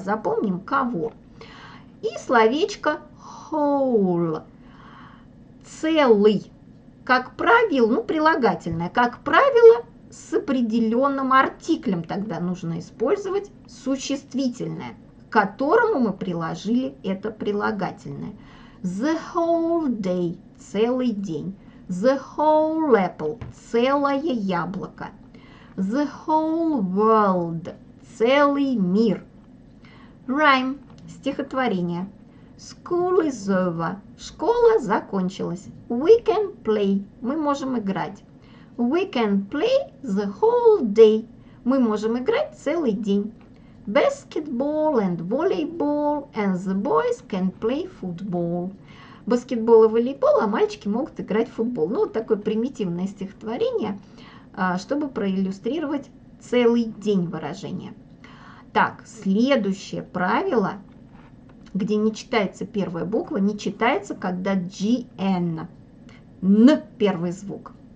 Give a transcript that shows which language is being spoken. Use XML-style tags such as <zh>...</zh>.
<ru>Запомним, кого. И словечко whole. Целый. Как правило, ну, прилагательное. Как правило, с определенным артиклем тогда нужно использовать существительное, к которому мы приложили это прилагательное.</ru> <en>The whole day –</en> <ru>целый день.</ru> <en>The whole apple –</en> <ru>целое яблоко.</ru> <en>The whole world –</en> <ru>целый мир.</ru> <en>Rhyme – стихотворение. School is over –</en> <ru>школа закончилась.</ru> <en>We can play –</en> <ru>мы можем играть.</ru> <en>We can play the whole day –</en> <ru>мы можем играть целый день.</ru> <en>Basketball and volleyball, and the boys can play football.</en> <ru>Баскетбол и волейбол, а мальчики могут играть в футбол. Ну, вот такое примитивное стихотворение, чтобы проиллюстрировать целый день выражения. Так, следующее правило, где не читается первая буква, не читается, когда GN, Н, первый звук.</ru>